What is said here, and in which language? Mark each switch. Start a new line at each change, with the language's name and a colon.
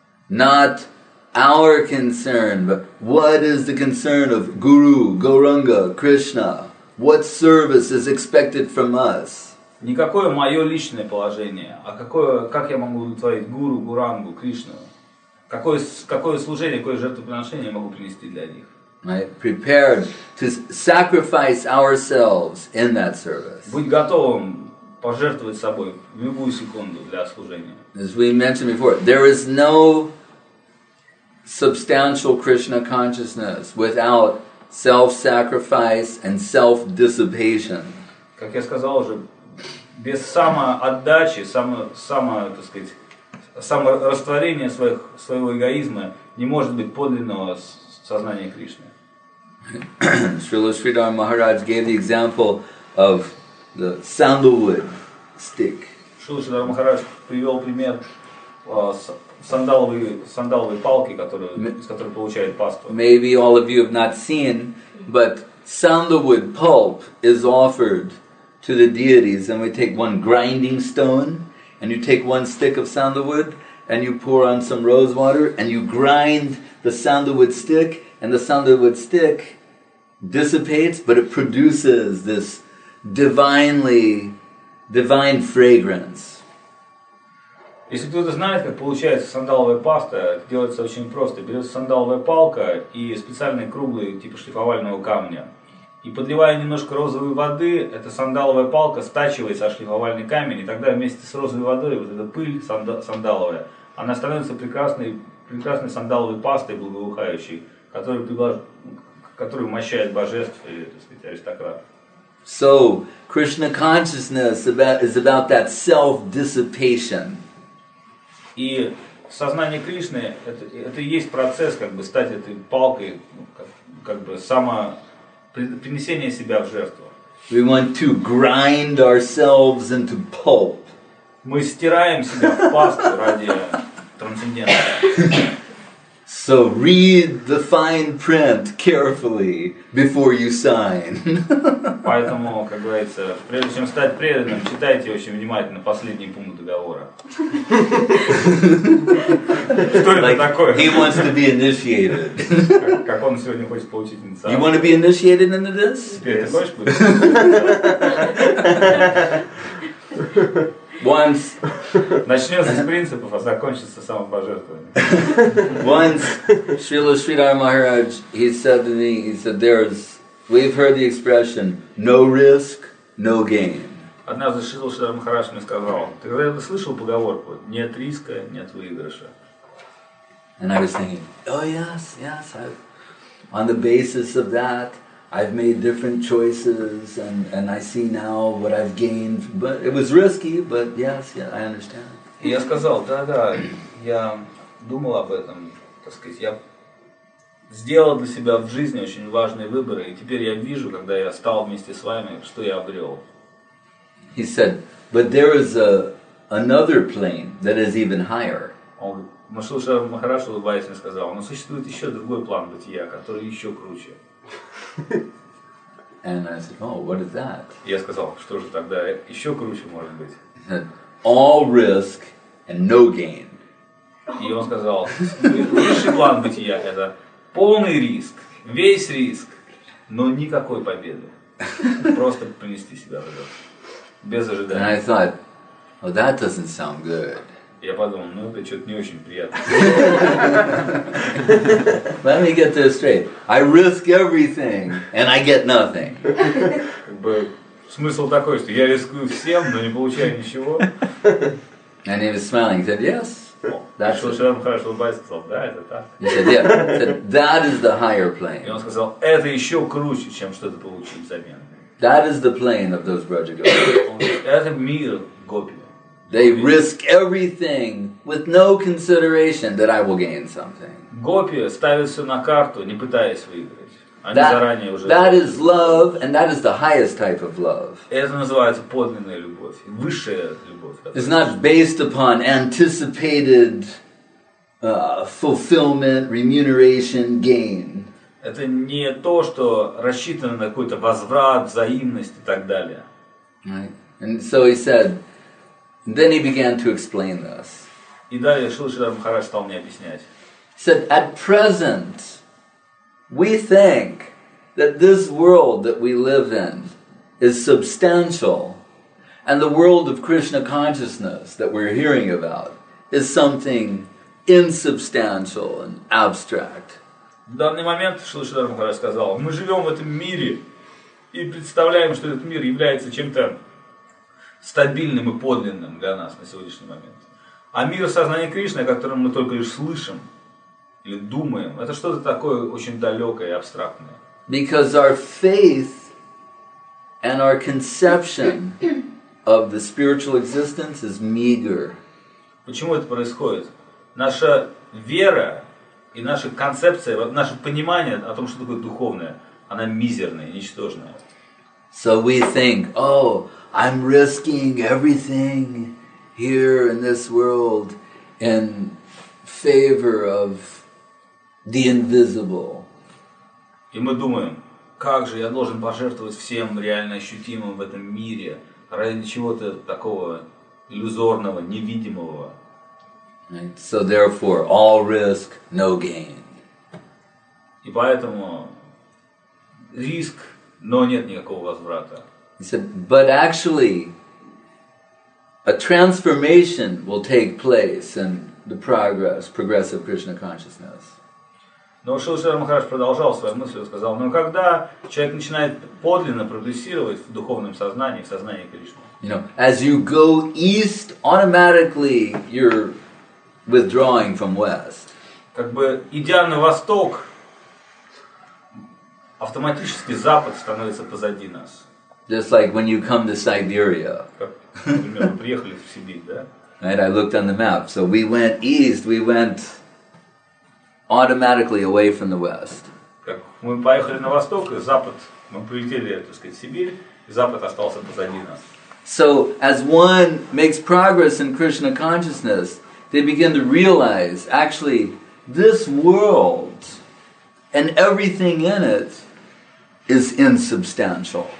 English: Not our concern, but what is the concern of Guru, Gauranga, Krishna? What service is expected from us?
Russian: Никакое мое личное положение, а какое, как я могу удовлетворить Гуру, Гурангу, Кришну? Какое служение, какое жертвоприношение я могу принести для них?
English: Right, prepared to sacrifice ourselves in that service.
Russian: Будь готовым пожертвовать собой в любую секунду для служения.
English: As we mentioned before, there is no substantial Krishna consciousness without self-sacrifice and self-dissipation.
Russian: Как я сказал уже, без самоотдачи, так сказать, саморастворения своего эгоизма не может быть подлинного сознания Кришны.
English: Srila Sridhar Maharaj gave the example of the sandalwood stick.
Russian: Srila Sridhar Maharaj привел пример сандаловой палки, с которой получают паству.
English: Maybe all of you have not seen, but sandalwood pulp is offered to the deities, and we take one grinding stone, and you take one stick of sandalwood, and you pour on some rose water, and you grind the sandalwood stick, and the sandalwood stick dissipates, but it produces this divine fragrance.
Russian: Если кто-то знает, как получается сандаловая паста, делается очень просто. Берется сандаловая палка и специальные круглые, типа шлифовального камня. И подливая немножко розовой воды, эта сандаловая палка стачивается о шлифовальный камень, и тогда вместе с розовой водой, вот эта пыль сандаловая, она становится прекрасной сандаловой пастой благоухающей, которую умощает божеств и, так сказать, аристократов.
English: So, Krishna consciousness is about that self-dissipation.
Russian: И сознание Кришны это и есть процесс, как бы стать этой палкой, как бы само принесение себя в жертву.
English: We want to grind ourselves into pulp.
Russian: Мы стираем себя в пасту ради трансцендента.
English: So read the fine print carefully before you sign.
Russian: Поэтому, как говорится, прежде чем стать преданным, читайте очень внимательно последний пункт договора. Что это такое?
English: He wants to be initiated.
Russian: Как он сегодня хочет получить инициацию?
English: You want to be initiated into this?
Russian: Теперь ты хочешь получить?
English: Once.
Russian: Начнется с принципов, а закончится самопожертвованием.
English: Once Srila Sridhar Maharaj, he said to me, he said, we've heard the expression, no risk, no gain.
Russian: Однажды Шрила Шридар Махарадж мне сказал, ты когда-то слышал поговорку, нет риска, нет выигрыша?
English: And I was thinking, oh yes, yes, on the basis of that, I've made different choices, and I see now what I've gained. But it was risky, but yes, yeah, I understand.
Russian: И я сказал, да-да, я думал об этом, так сказать, я сделал для себя в жизни очень важные выборы, и теперь я вижу, когда я стал вместе с вами, что я обрел.
English: He said, but there is another plane that is even higher.
Russian: Он слушал Махараш, улыбаясь, мне сказал, но существует еще другой план бытия, который еще круче.
English: And I said, oh, what is that?
Russian: Я сказал, что же тогда еще круче может быть?
English: He said, all risk and no gain.
Russian: И он сказал, высший план бытия – это полный риск, весь риск, но никакой победы. Просто принести себя в жертву. Без ожидания.
English: And I thought, well, that doesn't sound good.
Russian: Я подумал, ну это что-то не очень приятно.
English: Let me get this straight. I risk everything, and I get nothing.
Russian: Как бы смысл такой, что я рискую всем, но не получаю ничего.
English: And he was smiling. He said, yes. That's what
Russian: Шрила Махарадж улыбаясь сказал, да, это так.
English: He said, yeah. Said, that is the higher plane.
Russian: И он сказал, это еще круче, чем что-то получить взамен.
English: That is the plane of those Brajagopis.
Russian: Это мир гопи.
English: They risk everything with no consideration that I will gain something.
Russian: Гопи ставят все на карту, не пытаясь выиграть. Они заранее уже.
English: That is love, and that is the highest type of love.
Russian: Это называется подлинная любовь, высшая любовь.
English: It's not based upon anticipated fulfillment, remuneration, gain.
Russian: Это не то, что рассчитано на какой-то возврат, взаимность и так далее.
English: Right. And so he said. And then he began to explain this.
Russian: И далее Шрила Шридар Махарадж стал мне объяснять.
English: Said, at present, we think that this world that we live in is substantial, and the world of Krishna consciousness that we're hearing about is something insubstantial and abstract.
Russian: В данный момент Шрила Шридар Махарадж сказал, мы живем в этом мире и представляем, что этот мир является чем-то стабильным и подлинным для нас на сегодняшний момент. А мир сознания Кришны, о котором мы только лишь слышим или думаем, это что-то такое очень далекое и абстрактное.
English: Because our faith and our conception of the spiritual existence is meager.
Russian: Почему это происходит? Наша вера и наша концепция, наше понимание о том, что такое духовное, она мизерная, ничтожная.
English: So we think, oh, I'm risking everything here in this world in favor of the invisible.
Russian: И мы думаем, как же я должен пожертвовать всем реально ощутимым в этом мире ради чего-то такого иллюзорного, невидимого.
English: Right. So therefore, all risk, no gain.
Russian: И поэтому риск, но нет никакого возврата.
English: He said, but actually, a transformation will take place in the progress, progressive Krishna consciousness.
Russian: Но Шилшер Махарадж продолжал свою мысль и сказал, но когда человек начинает подлинно прогрессировать в духовном сознании, в сознании Кришны.
English: You know, as you go east, automatically you're withdrawing from west.
Russian: Как бы идя на восток, автоматически запад становится позади нас.
English: Just like when you come to Siberia.
Russian: Как, например, приехали в Сибирь, да?
English: Right, I looked on the map. So we went east, we went automatically away from the west.
Russian: Как мы поехали на восток, и запад, мы прилетели, так сказать, в Сибирь, и запад остался позади нас.
English: So as one makes progress in Krishna consciousness, they begin to realize, actually, this world and everything in it is insubstantial.